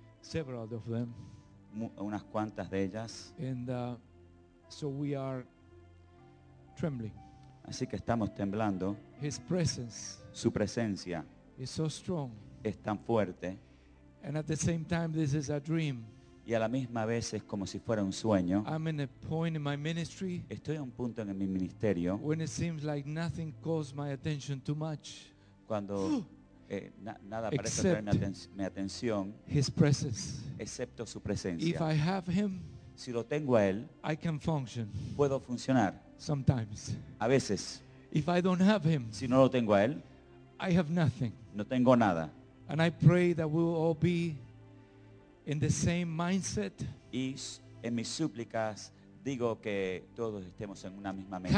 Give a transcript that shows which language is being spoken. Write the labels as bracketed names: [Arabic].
[English] Several of them. [Spanish] Unas cuantas de ellas. [English] And so we are trembling. [Spanish] Así que estamos temblando. [English] His presence. [Spanish] Su presencia. [English] Is so strong. [Spanish] Es tan fuerte. [English] And at the same time, this is a dream. [Spanish] Y a la misma vez es como si fuera un sueño. [English] I'm in a point in my ministry. [Spanish] Estoy a un punto en mi ministerio. [English] When it seems like nothing calls my attention too much. [Spanish] Cuando nada parece traer mi atención. [English] His presence. [Spanish] Excepto su presencia. [English] If I have him. [Spanish] Si lo tengo a él. [English] I can function. [Spanish] Puedo funcionar. [English] Sometimes. [Spanish] A veces. [English] If I don't have him. [Spanish] Si no lo tengo a él. [English] I have nothing. [Spanish] No tengo nada. [English] And I pray that we will all be in the same mindset. [Spanish] Y en mis súplicas digo que todos estemos en una misma mente.